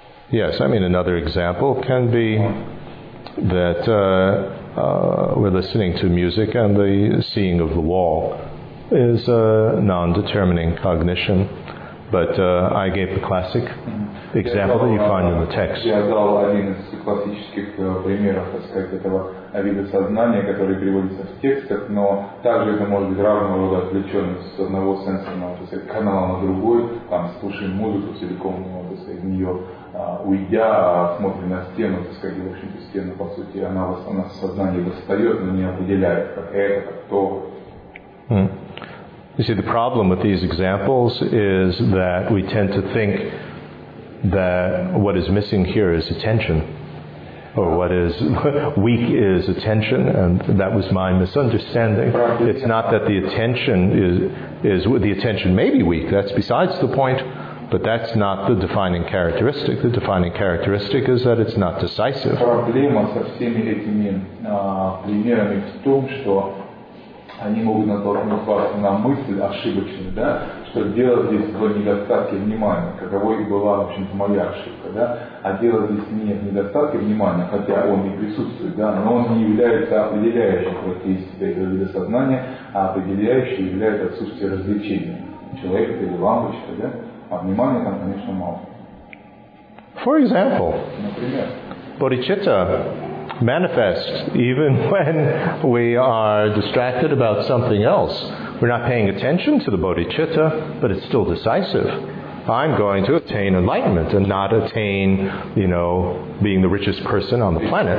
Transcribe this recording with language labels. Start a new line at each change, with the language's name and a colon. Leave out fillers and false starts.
English: Yes, I mean, another example can be that we're listening to music and the seeing of the wall is a non-determining cognition. But I gave the classic example that you find in the text.
Russian: Я дал один из классических примеров, так сказать, этого вида сознания, который приводится в текстах, но также это может быть разного рода отвлеченность с одного сенсорного, так сказать, канала на другой, там, слушаем музыку целиком, так сказать, в нее уйдя, смотрим на стену, так сказать, в общем-то, стену, по сути, она в сознании восстает, но не определяет, как это, как то.
English: You see, the problem with these examples is that we tend to think that what is missing here is attention. or what is weak is attention, and that was my misunderstanding. It's not that the attention is the attention may be weak, that's besides the point, but that's not the defining characteristic. The defining characteristic is that it's not decisive.
Russian: Проблема со всеми этими примерами в том, что они могут натолкнуть вас на мысль ошибочную, да, что дело здесь в недостатке внимания, каково и была, в общем-то, моя ошибка, да, а дело здесь не в недостатке внимания, хотя он и присутствует, да, но он не является определяющим в процессе этого вида сознания, а определяющим является отсутствие развлечения. Человек это или лампочка, да, а внимания там, конечно, мало.
English: For example,
Russian: например,
English: bodhicitta manifests even when we are distracted about something else. We're not paying attention to the bodhicitta, but it's still decisive. I'm going to attain enlightenment and not attain, you know, being the richest person on the planet.